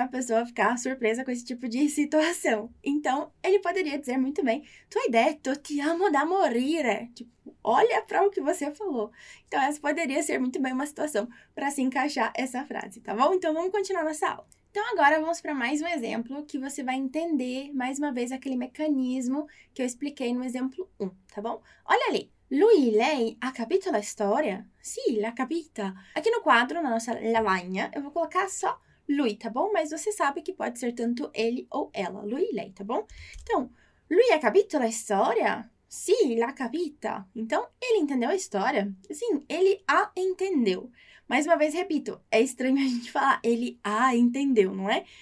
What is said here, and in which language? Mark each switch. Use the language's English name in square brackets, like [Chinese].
[Portuguese] A pessoa ficar surpresa com esse tipo de situação. Então, ele poderia dizer muito bem: [Italian] "Tu hai detto ti amo da morire?" [Portuguese] Tipo, olha para o que você falou. Então, essa poderia ser muito bem uma situação para se encaixar essa frase, tá bom? Então, vamos continuar nossa aula. Então, agora vamos para mais um exemplo que você vai entender mais uma vez aquele mecanismo que eu expliquei no exemplo 1, tá bom? Olha ali. [Italian] Lui, lei, ha capito la storia? Sì, l'ha capita. [Portuguese] Aqui no quadro, na nossa lavagna, eu vou colocar só lui, tá bom? Mas você sabe que pode ser tanto ele ou ela. Lui, lei, tá bom? [Italian] Então, lui ha capito la storia? Sì, l'ha capita. [Portuguese] Então, ele entendeu a história? Sim, ele a entendeu. Mais uma vez, repito, é estranho a gente falar ele a entendeu, não é?